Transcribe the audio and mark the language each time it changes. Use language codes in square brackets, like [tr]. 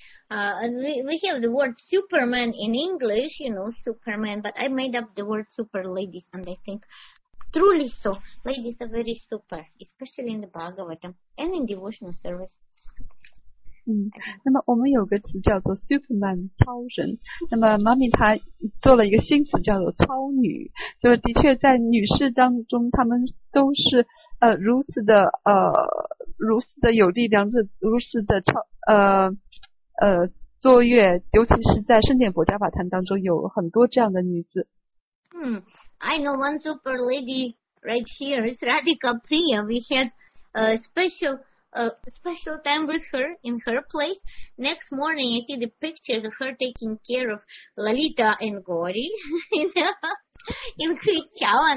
[en] And we have the word Superman in English, you know, Superman, but I made up the word Super Ladies, and I think truly so, ladies are very super, especially in the Bhagavatam and in devotional service. [zh] 那么我们有个词叫做 Superman 超人，那么妈咪她做了一个新词叫做超女，就是的确在女士当中她们都是如此的有力量，如此的卓越，尤其是在圣典佛家法坛当中有很多这样的女子。 [en] I know one super lady right here is Radhika Priya. We had a special time with her in her place. Next morning, I see the pictures of her taking care of Lalita and Gauri in Krishava.